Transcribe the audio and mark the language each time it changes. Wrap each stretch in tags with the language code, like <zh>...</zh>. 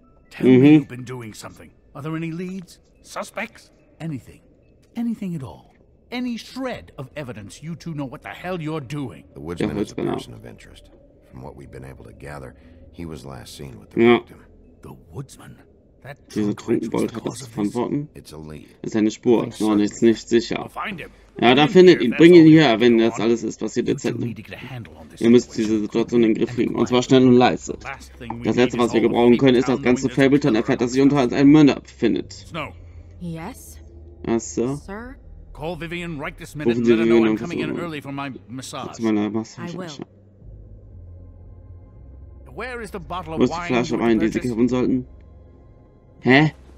<en>Tell me you've been doing something. Are there any leads? Suspects? Anything. Anything at all. Any shred of evidence you two know what the hell you're doing. The woodsman is a person of interest. From what we've been able to gather, he was last seen with the victim. The woodsman? That</en> <de>Trunkenbold hat das verantworten?</de> <en>It's a lead.</en> <de>Es ist eine Spur, nur ist nicht sicher. Ja, da findet ihn. Bring ihn her, wenn das alles ist, was ihr jetzt habt. Ihr müsst diese Situation in den Griff kriegen, und zwar schnell und leise. Das Letzte, was wir gebrauchen können, ist, dass ganze Fabletown erfährt, dass sich unter uns ein Mörder befindet.</de> <en>Yes?</en> <de>Ja, Sir? Sir?</de> <en>Call Vivian right this minute and let her know I'm coming in early for my massage.</en> <de>Zu meiner Massage.</de> <en>I will. Where is the bottle of wine?</en> <de>Wo ist die Flasche Wein, die sie kaufen sollten?</de> <en>Hä?</en>